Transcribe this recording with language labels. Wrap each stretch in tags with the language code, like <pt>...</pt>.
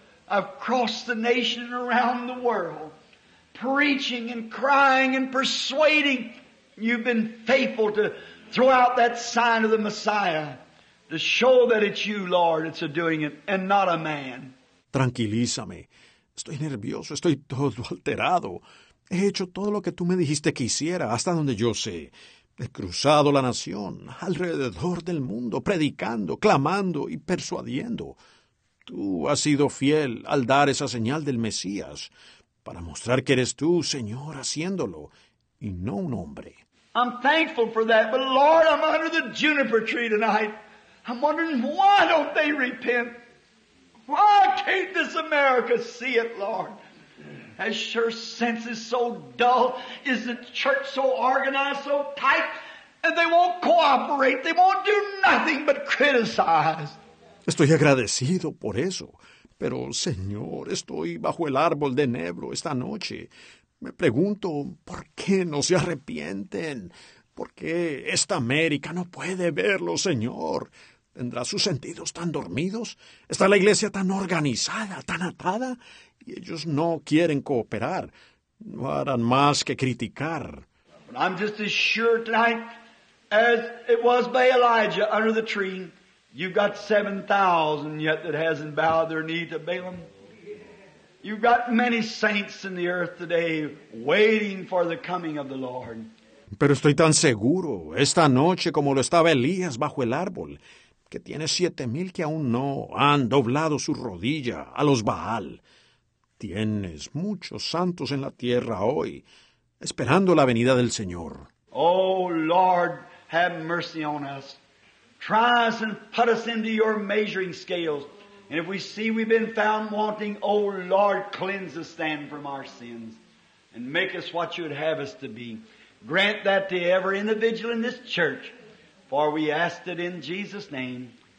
<en>I've crossed the nation and around the world, preaching and crying and persuading. You've been faithful to throw out that sign of the Messiah, to show that it's you, Lord, that's doing it, and not a man.</en> <es>Tranquilízame. Estoy nervioso, estoy todo alterado. He hecho todo lo que tú me dijiste que hiciera, hasta donde yo sé. He cruzado la nación, alrededor del mundo, predicando, clamando y persuadiendo. Tú has sido fiel al dar esa señal del Mesías para mostrar que eres tú, Señor, haciéndolo, y no un hombre.</es> <en>I'm thankful for that, but Lord, I'm under the juniper tree tonight. I'm wondering why don't they repent? Why can't this America see it, Lord? Has your senses so dull? Is the church so organized, so tight? And they won't cooperate. They won't do nothing but criticize.</en> <es>Estoy agradecido por eso. Pero, Señor, estoy bajo el árbol de enebro esta noche. Me pregunto, ¿por qué no se arrepienten? ¿Por qué esta América no puede verlo, Señor? ¿Tendrá sus sentidos tan dormidos? ¿Está la iglesia tan organizada, tan atada? Y ellos no quieren cooperar. No harán más que criticar.</es> <en>But I'm just as sure tonight as it was by Elijah under the tree. You've got 7,000 yet that hasn't bowed their knee to Balaam. You've got many saints in the earth today waiting for the coming of the Lord.</en> <es>Pero estoy tan seguro, esta noche como lo estaba Elías bajo el árbol, que tiene 7,000 que aún no han doblado su rodilla a los Baal. Tienes muchos santos en la tierra hoy, esperando la venida del Señor.</es> <en>Oh, Lord, have mercy on us. Try us and put us into your measuring scales. And if we see we've been found wanting, oh, Lord, cleanse us then from our sins and make us what you would have us to be. Grant that to every individual in this church, for we ask it in Jesus' name.</en>